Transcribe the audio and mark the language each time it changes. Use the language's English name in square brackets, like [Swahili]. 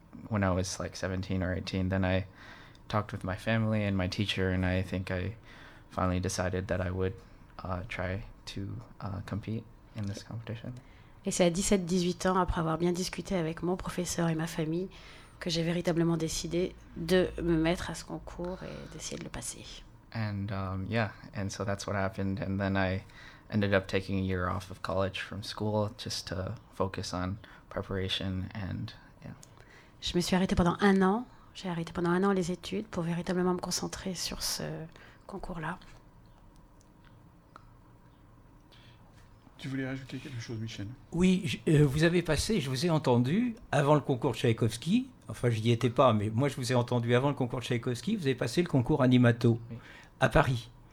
[English] When I was like 17 or 18, then I talked with my family and my teacher, and I think I finally decided that I would try to compete in this competition. [French] Et c'est à 17-18 ans, après avoir bien discuté avec mon professeur et ma famille, que j'ai véritablement décidé de me mettre à ce concours et d'essayer de le passer. [English] And and so that's what happened. And then I ended up taking a year off of college from school just to focus on preparation and [French] Je me suis arrêtée pendant un an. J'ai arrêté pendant un an les études pour véritablement me concentrer sur ce concours-là. Tu voulais ajouter quelque chose, Michel ? Oui, vous avez passé, je vous ai entendu, avant le concours de Tchaïkovski, enfin je n'y étais pas, mais moi je vous ai entendu avant le concours de Tchaïkovski, vous avez passé le concours Animato à Paris.